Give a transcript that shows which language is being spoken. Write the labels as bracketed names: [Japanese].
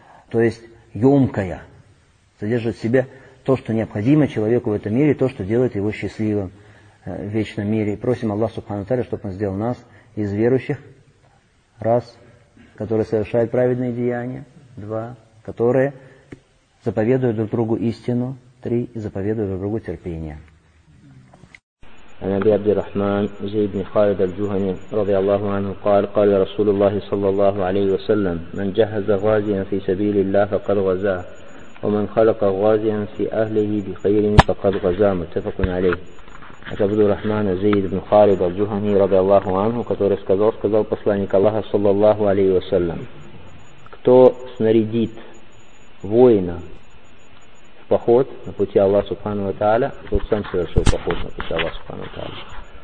[Russian] То есть емкая. Содержит в себе то, что необходимо человеку в этом мире, то, что делает его счастливым в вечном мире. И просим Аллах субхану ва тааля, чтобы он сделал нас из верующих, раз, которые совершают праведные деяния, два, которые заповедуют друг другу истину, 3. Заповедуй другу терпение. [Arabic] عن أبي عبد الرحمن زيد بن خالد الجهني رضي الله عنه قال قال رسول الله صلى الله عليه وسلم من جهز غازيا في سبيل الله فقد غزاه ومن خلق غازيا في أهله بخير فقد غزاه. متفق عليه. أبو عبد الرحمن زيد بن خالد الجهني رضي الله عنه [Russian] который сказал посланник Аллаха [Arabic] صلى الله عليه وسلم [Russian] кто снарядит воина поход на пути Аллаха Субхану ва Тааля, тот сам совершил поход на пути Аллаха Субхану ва Тааля.